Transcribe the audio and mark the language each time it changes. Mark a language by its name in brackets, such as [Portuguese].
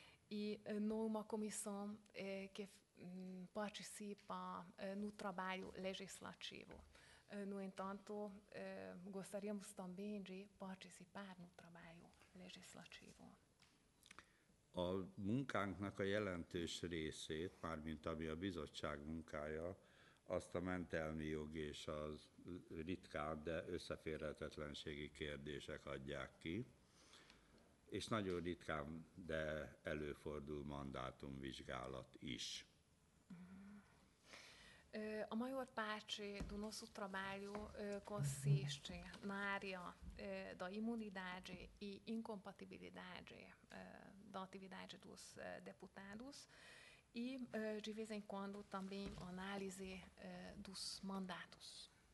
[Portuguese] E não uma comissão que participa no trabalho legislativo. No entanto, gostaríamos também de participar no trabalho legislativo. [Hungarian] A munkánknak a jelentős részét, mármint ami a bizottság munkája, azt a mentelmi jog és az ritkán, de összeférhetetlenségi kérdések adják ki. És nagyon ritkán, de előfordul mandátumvizsgálat is. [Portuguese] A maior parte do nosso trabalho consiste na área da imunidade e incompatibilidade da atividade dos deputados e de vez em quando também análise dos mandatos.